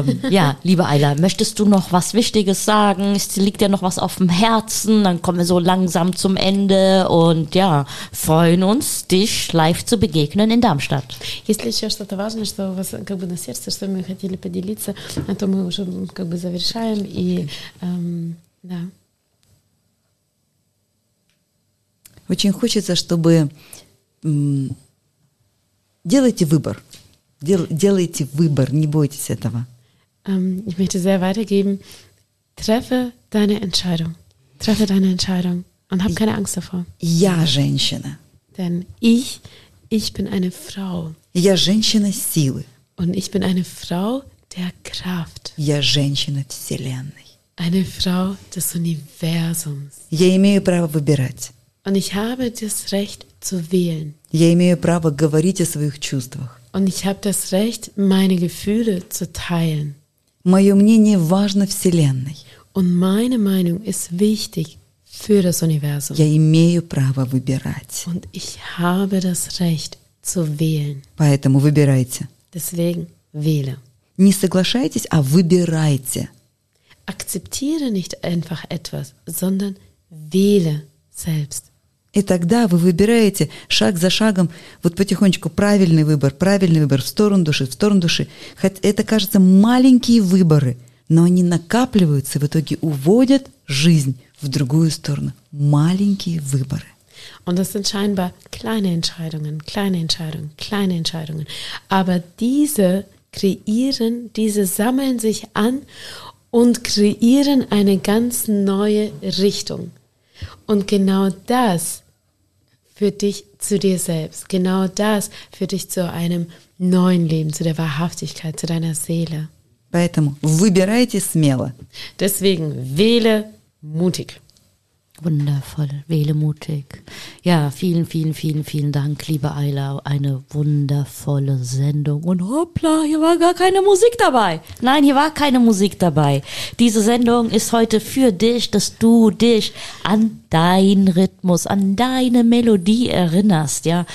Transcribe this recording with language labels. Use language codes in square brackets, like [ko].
[de] Ja, liebe Ayla, möchtest du noch was Wichtiges sagen? Liegt dir noch was auf dem Herzen? Dann kommen wir so langsam zum Ende und ja, freuen uns, dich live zu begegnen in Darmstadt. [ru] Если еще что-то важное, что у вас как бы на сердце, что мы хотели поделиться, а то мы уже как бы завершаем и да. Очень хочется, чтобы делайте выбор. Делайте выбор, не бойтесь этого. [de] Ich möchte sehr weitergeben. Treffe deine Entscheidung. Treffe deine Entscheidung. Und hab keine Angst davor. [ru] Я женщина. [de] Denn ich bin eine Frau. [ru] Я женщина силы. [de] Und ich bin eine Frau der Kraft. [ru] Я женщина вселенной. [de] Eine Frau des Universums. [ru] Я имею право выбирать. [de] Und ich habe das Recht zu wählen. [ru] Я имею право говорить о своих чувствах. [de] Und ich habe das Recht, meine Gefühle zu teilen. [ru] Мое мнение важно Вселенной. [de] Und meine Meinung ist wichtig für das Universum. [ru] Я имею право выбирать. [de] Und ich habe das Recht zu wählen. [ru] Поэтому выбирайте. [de] Deswegen wähle. [ru] Не соглашайтесь, а выбирайте. [de] Akzeptiere nicht einfach etwas, sondern wähle selbst. [ru] И тогда вы выбираете шаг за шагом, вот потихонечку, правильный выбор, в сторону души, хоть это кажется маленькие выборы, но они накапливаются и в итоге уводят жизнь в другую сторону. Маленькие выборы. [de] Und das sind scheinbar kleine Entscheidungen. Aber diese kreieren, diese sammeln sich an und kreieren eine ganz neue Richtung. Und genau das führt dich zu dir selbst. Genau das führt dich zu einem neuen Leben, zu der Wahrhaftigkeit, zu deiner Seele. [ru] Поэтому выбирайте смело. [de] Deswegen wähle mutig. Wundervoll, wähle mutig. Ja, vielen, vielen, vielen, vielen Dank, liebe Ayla. Eine wundervolle Sendung. Und hoppla, hier war gar keine Musik dabei. Nein, hier war keine Musik dabei. Diese Sendung ist heute für dich, dass du dich an deinen Rhythmus, an deine Melodie erinnerst.